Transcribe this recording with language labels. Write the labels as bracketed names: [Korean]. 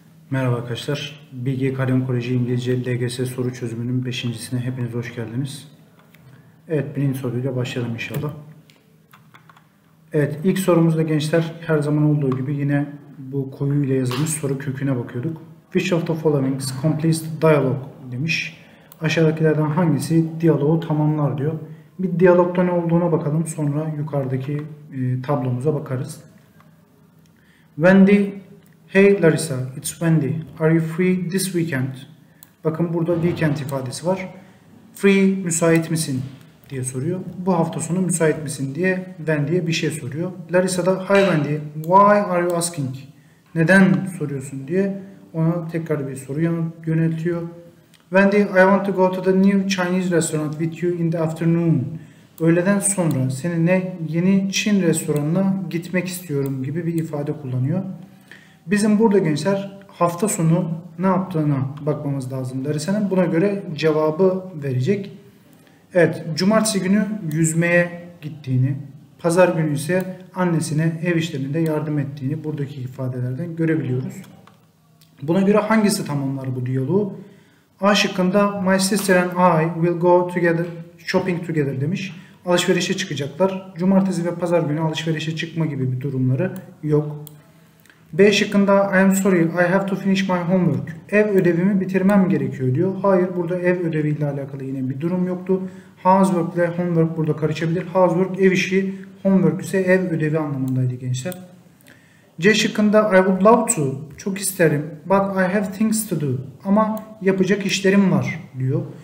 [Turkish] Merhaba arkadaşlar. BG Kalem Koleji İngilizce LGS soru çözümünün 5.sine hepiniz hoş geldiniz. Evet, birinci soruyla başlayalım inşallah. Evet, ilk sorumuzda gençler her zaman olduğu gibi yine bu koyu ile yazılmış soru köküne bakıyorduk. [English] Which of the following completes dialogue [Turkish] demiş. Aşağıdakilerden hangisi diyaloğu tamamlar diyor. Bir diyalogda ne olduğuna bakalım sonra yukarıdaki tablomuza bakarız. [English] Wendy, hey Larissa, it's Wendy. Are you free this weekend? [Turkish] Bakın burada weekend ifadesi var. Free, müsait misin? Diye soruyor. Bu hafta sonu müsait misin diye Wendy'ye bir şey soruyor. [English] Larissa da hi Wendy, why are you asking? [Turkish] Neden soruyorsun diye ona tekrar bir soru yöneltiyor. [English] Wendy, I want to go to the new Chinese restaurant with you in the afternoon. [Turkish] Öğleden sonra seninle yeni Çin restoranına gitmek istiyorum gibi bir ifade kullanıyor. Bizim burada gençler hafta sonu ne yaptığına bakmamız lazım Larissa'nın. Buna göre cevabı verecek. Evet, cumartesi günü yüzmeye gittiğini, pazar günü ise annesine ev işlerinde yardım ettiğini buradaki ifadelerden görebiliyoruz. Buna göre hangisi tamamlar bu diyaloğu? A şıkkında [English] my sister and I will go together shopping together [Turkish] demiş. Alışverişe çıkacaklar. Cumartesi ve pazar günü alışverişe çıkma gibi bir durumları yok. B şıkkında [English] I am sorry, I have to finish my homework. [Turkish] Ev ödevimi bitirmem gerekiyor diyor. Hayır, burada ev ödeviyle alakalı yine bir durum yoktu. Housework ile homework burada karışabilir. Housework ev işi, homework ise ev ödevi anlamındaydı gençler. C şıkkında [English] I would love to, [Turkish] çok isterim. [English] But I have things to do, [Turkish] ama yapacak işlerim var diyor.